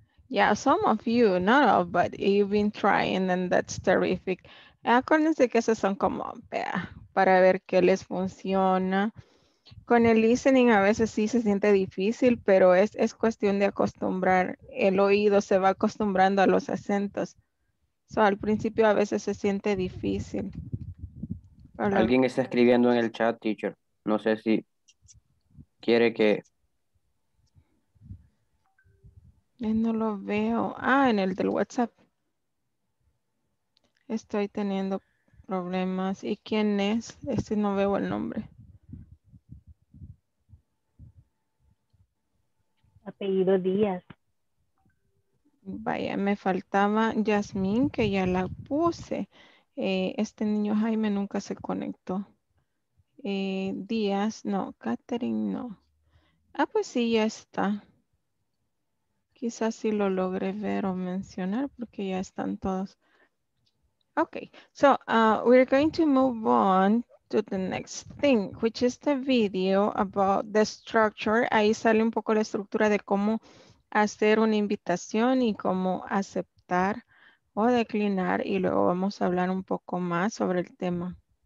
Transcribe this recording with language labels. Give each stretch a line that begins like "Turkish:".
English: Yeah, some of you, not all, but you've been trying and that's terrific.
Spanish: Acuérdense que esas son como para ver qué les funciona. Con el listening a veces sí se siente difícil, pero es cuestión de acostumbrar. El oído se va acostumbrando a los acentos. So, al principio a veces se siente difícil. Pero alguien está escribiendo en el chat, teacher. No sé si quiere que... No lo veo. Ah, en el del WhatsApp. Estoy teniendo problemas. ¿Y quién es? Este no veo el nombre. Apellido Díaz. Vaya, me faltaba Yasmín, que ya la puse. Este niño Jaime nunca se conectó. Díaz, no. Catherine, no. Ah, pues sí, ya está. Quizás sí lo logré ver o mencionar, porque ya están todos.
English: Okay, so we're going to move on to the next thing, which is the video about the structure.
Spanish: Ahí sale un poco la estructura de cómo hacer una invitación y cómo aceptar o declinar. Y luego vamos a hablar un poco más sobre el tema.